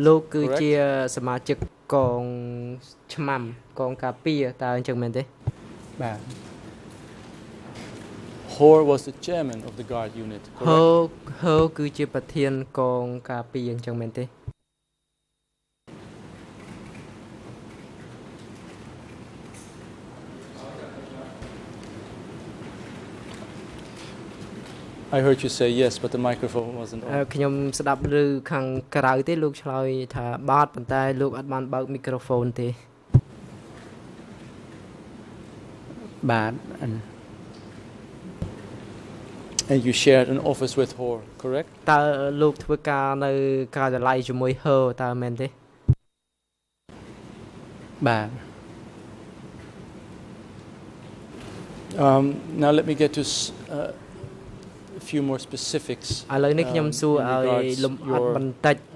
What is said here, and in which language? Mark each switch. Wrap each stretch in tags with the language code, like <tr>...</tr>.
<km>លោកគឺជាសមាជិកកងឆ្មាំកងការពារតើអញ្ចឹងមែនទេ បាទ</km> <en>Hor was the chairman of the guard unit.</en> <km>Hor គឺជាប្រធានកងការពារអញ្ចឹងមែនទេ?</km> <en>I heard you say yes but the microphone wasn't on.</en> <km>ខ្ញុំស្ដាប់ឬខាងក្រៅទេលោកឆ្លើយថាបាទប៉ុន្តែលោកអត់បានបើកមីក្រូហ្វូនទេ ។បាទ</km> <en>And you shared an office with her, correct?</en> <km>តើលោកធ្វើការនៅការិយាល័យជាមួយ her តើមែនទេ? បាទ</km> <en>Now let me get to a few more specifics.</en> <km>ឥឡូវនេះខ្ញុំសួរឲ្យលម្អិតបន្តិច</km>